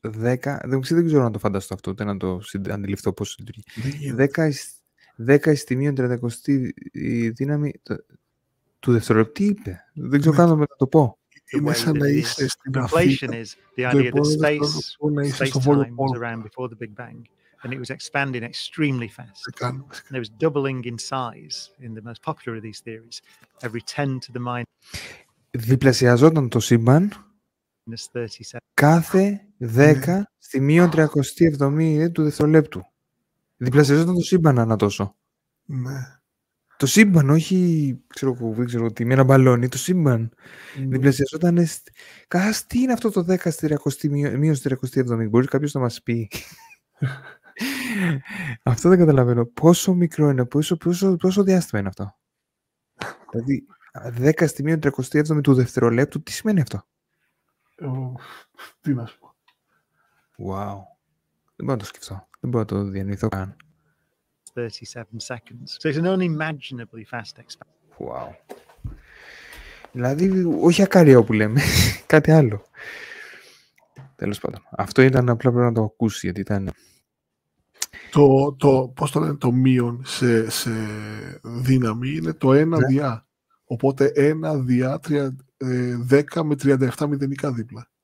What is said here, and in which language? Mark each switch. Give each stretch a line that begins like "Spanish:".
Greek: Δεν ξέρω να το φανταστώ αυτό, ούτε να το αντιληφθώ πώς λειτουργεί. 10 εις τη μείον 30 η δύναμη του δευτερολέπτου. Τι είπε, δεν ξέρω καν να το πω. Είναι σαν να είσαι στην Αθήνα.
English: And it was expanding extremely fast. And it was doubling in size in the most popular of these theories. Every 10 to the minus.
Greek: Διπλασιαζόταν το σύμπαν κάθε 10 στη μείον 37 του δευτερολέπτου. Διπλασιαζόταν το σύμπαν ανά τόσο. Ναι. Το σύμπαν, όχι, ξέρω τι, με ένα μπαλόνι, το σύμπαν. Διπλασιαζόταν. Τι είναι αυτό το 10 στη μείον 37, μπορεί κάποιος να μας πει. Αυτό δεν καταλαβαίνω. Πόσο μικρό είναι, πόσο διάστημα είναι αυτό. Δηλαδή, 10 στη μείον 37 του δευτερολέπτου, τι σημαίνει αυτό. Τι να σου πω. Wow. Δεν μπορώ να το σκεφτώ. Δεν μπορώ να το διανοηθώ καν.
English: 37 seconds. So it's an unimaginably fast expansion. Wow.
Greek: Δηλαδή, όχι ακαριό που λέμε. Κάτι άλλο. Τέλος πάντων. Αυτό ήταν απλά πρέπει να το ακούσει, γιατί ήταν. Το πώς το λένε, το μείον σε δύναμη είναι το 1 ναι. Διά. Οπότε 1 διά 10 με 37 μηδενικά δίπλα.